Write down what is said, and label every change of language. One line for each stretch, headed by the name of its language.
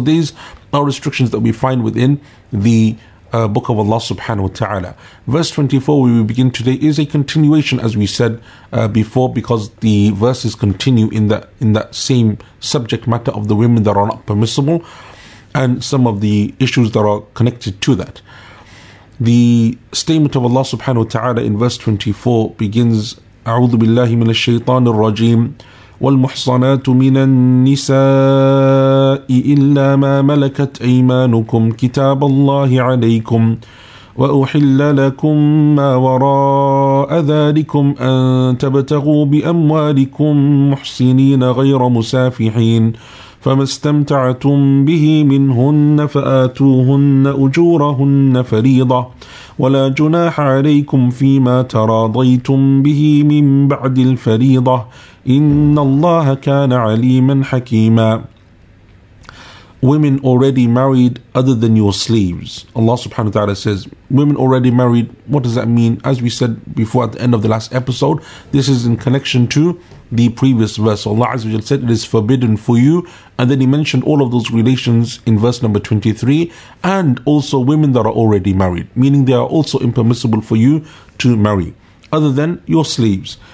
English: So these are restrictions that we find within the book of Allah subhanahu wa ta'ala. Verse 24, where we begin today, is a continuation, as we said before, because the verses continue in that same subject matter of the women that are not permissible and some of the issues that are connected to that. The statement of Allah subhanahu wa ta'ala in verse 24 begins,
Arabic: أعوذ بالله من الشيطان الرجيم والمحصنات من النساء إلا ما ملكت أيمانكم كتاب الله عليكم وأحل لكم ما وراء ذلكم أن تبتغوا بأموالكم محصنين غير مسافحين فما استمتعتم به منهن فآتوهن أجورهن فريضة ولا جناح عليكم فيما تراضيتم به من بعد الفريضة إن الله كان عليما حكيما.
English: Women already married other than your slaves. Allah subhanahu wa ta'ala says, women already married, what does that mean? As we said before at the end of the last episode, this is in connection to the previous verse. Allah Azza wa Jalla said, it is forbidden for you. And then He mentioned all of those relations in verse number 23, and also women that are already married, meaning they are also impermissible for you to marry, other than your slaves.